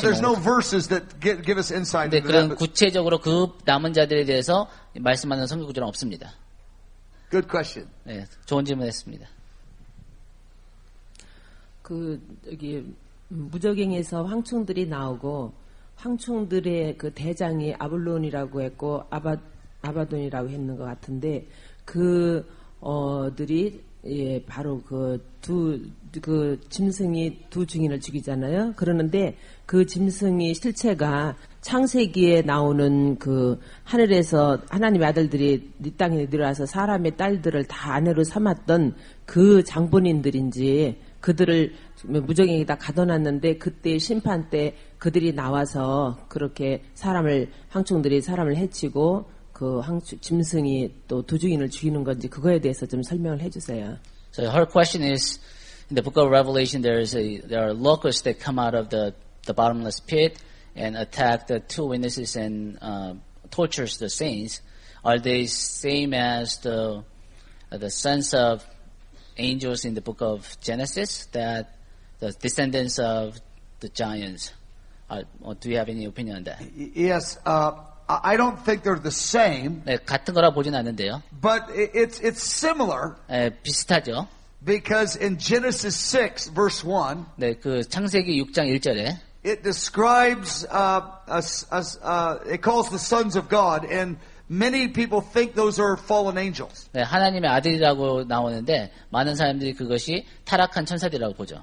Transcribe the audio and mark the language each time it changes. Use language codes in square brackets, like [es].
[en] But there's no verses that give us insight. [ko] 근데 그런 구체적으로 그 남은 자들에 대해서 말씀하는 성경 구절은 없습니다. [en] Good question. [ko] 네, 좋은 질문했습니다. 그 여기 무적행에서 황충들이 나오고 황충들의 그 대장이 아볼론이라고 했고 아바돈이라고 했는 것 같은데 그 들이 예 바로 그 두 그 짐승이 두 증인을 죽이잖아요. 그러는데 그 짐승이 실체가 창세기에 나오는 그 하늘에서 하나님의 아들들이 이 땅에 들어와서 사람의 딸들을 다 아내로 삼았던 그 장본인들인지 그들을 무적행에다 가둬놨는데 그때 심판 때 그들이 나와서 그렇게 사람을 황충들이 사람을 해치고. 그 짐승이 또 두 증인을 죽이는 건지 그거에 대해서 좀 설명을 해주세요. [en] So her question is, in the book of Revelation, there are locusts that come out of the bottomless pit and attack the two witnesses and tortures the saints. Are they same as the sons of angels in the book of Genesis, that the descendants of the giants? Do you have any opinion on that? Yes. I don't think they're the same. [ko] 네, 같은 거라 보진 않는데요. [en] But it's similar. [ko] 네, 비슷하죠. [en] Because in Genesis 6 verse 1. [ko] 네, 그 창세기 6장 1절에 [en] it describes it calls the sons of God and many people think those are fallen angels. [ko] 네, 하나님의 아들이라고 나오는데 많은 사람들이 그것이 타락한 천사들이라고 보죠.